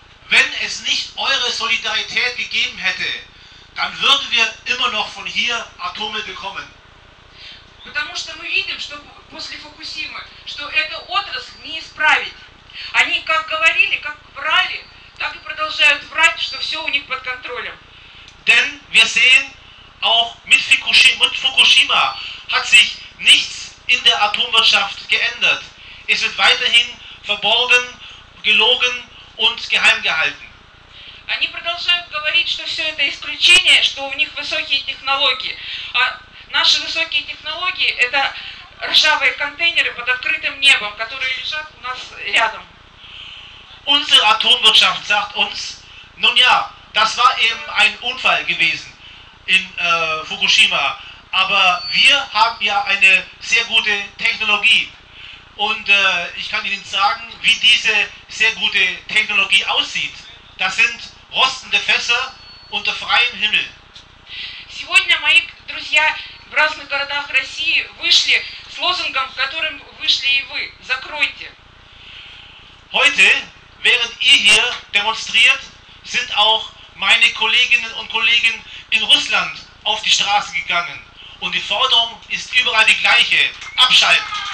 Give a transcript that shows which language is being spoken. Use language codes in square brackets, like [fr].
[de] Wenn es nicht eure Solidarität gegeben hätte, dann würden wir immer noch von hier Atommüll bekommen. [ru] Потому что мы видим, что после Фукусимы, что эта отрасль не исправить. Они как говорили, как врали, так и продолжают врать, что все у них под контролем. [de] Denn wir sehen, auch mit Fukushima hat sich nichts in der Atomwirtschaft geändert. Es wird weiterhin verborgen, gelogen und geheim gehalten. [ru] Они продолжают говорить, что все это исключение, что у них высокие технологии. Наши высокие технологии – это ржавые контейнеры под открытым небом, которые лежат у нас рядом. [de] Unsere Atomwirtschaft sagt uns, nun ja, das war eben ein Unfall gewesen in Fukushima, aber wir haben ja eine sehr gute Technologie. Und ich kann Ihnen sagen, wie diese sehr gute Technologie aussieht. Das sind rostende Fässer unter freiem Himmel. [ru] Сегодня мои друзья в разных городах России вышли с лозунгом, которым вышли и вы. Закройте. [de] Heute, während ihr hier demonstriert, sind auch meine Kolleginnen und Kollegen in Russland auf die Straße gegangen. Und die Forderung ist überall die gleiche. Abschalten!